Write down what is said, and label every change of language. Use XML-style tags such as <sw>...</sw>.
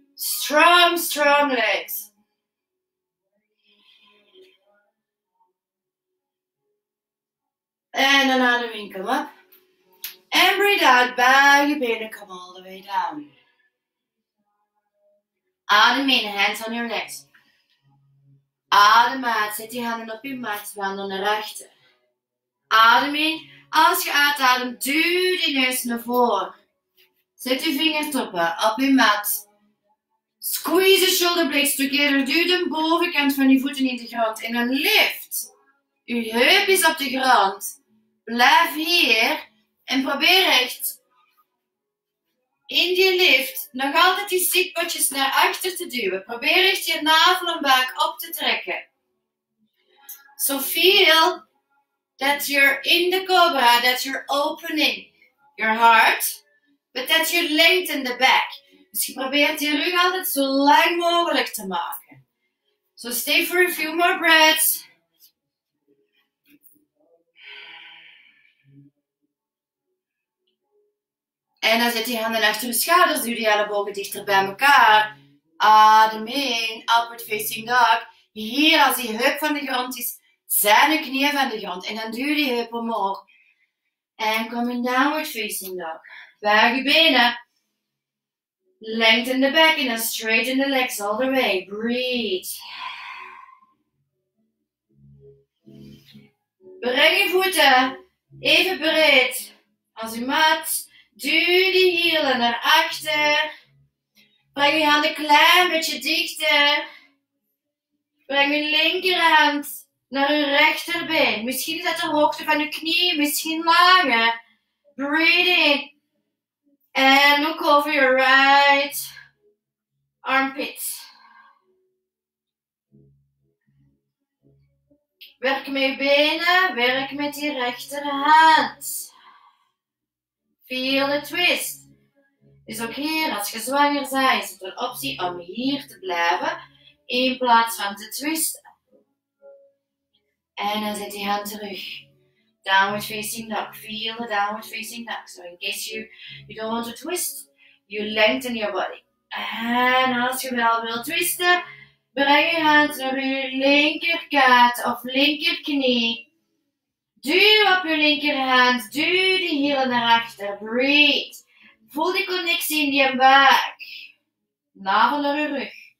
<en>Strong, strong legs. And an</en> <nl>adem in,</nl> <en>come up. And breathe out, bow your benen, come all the way down.</en> <nl>Adem in,</nl> <en>hands on your legs.</en> <nl>Adem uit, zet die handen op je mat, wandel naar rechter. Adem in, als je uitademt, duw die neus naar voren. Zet die vingertoppen op je mat.</nl> <en>Squeeze the shoulder blades together.</en> <nl>Duw de bovenkant van je voeten in de grond. En dan lift. Je heup is op de grond. Blijf hier. En probeer echt in die lift nog altijd die zitpotjes naar achter te duwen. Probeer echt je navel en buik op te trekken.</nl> <en>So feel that you're in the cobra, that you're opening your heart, but that you lengthen the back.</en> <nl>Dus je probeert je rug altijd zo lang mogelijk te maken.</nl> <en>So stay for a few more breaths.</en> <nl>En dan zet je handen achter je schouders, duw die ellebogen dichter bij elkaar. Adem in, upward facing dog. Hier als die heup van de grond is, zijn de knieën van de grond. En dan duw die heup omhoog. En kom in downward facing dog. Buig je benen.</nl> <en>Lengthen the back and then straighten the legs all the way. Breathe.</en> <nl>Breng je voeten even breed als je mat. Duw die hielen naar achter. Breng je handen klein beetje dichter. Breng je linkerhand naar je rechterbeen. Misschien is dat de hoogte van je knie, misschien langer.</nl> <en>Breathe in. En look over your right armpit.</en> <nl>Werk met je benen, werk met je rechterhand.</nl> <en>Feel the twist.</en> <nl>Is ook hier, als je zwanger bent, is het een optie om hier te blijven in plaats van te twisten. En dan zet die hand terug. Downward facing dog.</nl> <en>Feel the downward facing dog. So in case you don't want to twist, you lengthen your body.</en> <nl>En als je wel wil twisten, breng je hand naar je linkerkaart of linkerknie. Duw op je linkerhand. Duw die hielen naar achter.</nl> <en>Breathe.</en> <nl>Voel die connectie in je buik. Navel naar je rug.</nl>